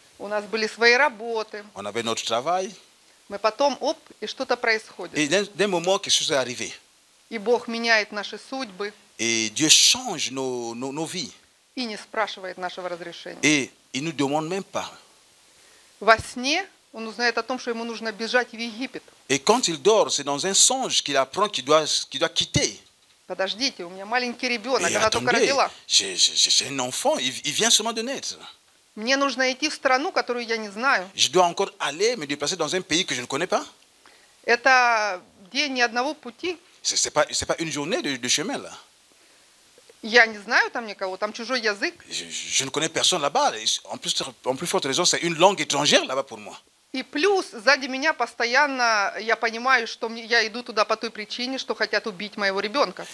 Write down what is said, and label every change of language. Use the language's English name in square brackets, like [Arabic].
[Russian] У нас были свои работы. [French] On avait notre travail. [Russian] Мы потом, оп, и что-то происходит. [French] Et d'un moment, quelque chose est arrivé. [Russian] И Бог меняет наши судьбы. [French] Et Dieu change nos vies. [Russian] И не спрашивает нашего разрешения. [French] Et il nous demande même pas. [Russian] Во сне он узнает о том, что ему нужно бежать в Египет. [French] Et quand il dort, c'est dans un songe qu'il apprend qu'il doit quitter. [Russian] Подождите, у меня маленький ребенок, она только родила. [French] J'ai un enfant, il vient seulement de naître. [Russian] Мне нужно идти в страну, которую я не знаю. [French] Je dois encore aller me déplacer dans un pays que je ne connais pas. [Russian] Это день ни одного пути. [French] C'est pas une journée de chemin là. [Russian] Я не знаю там никого, там чужой язык. [French] Je ne connais personne là-bas. En plus forte raison, c'est une langue étrangère là-bas pour moi. [Russian] И плюс сзади меня постоянно я понимаю, что я иду туда по той причине, что хотят убить моего ребенка.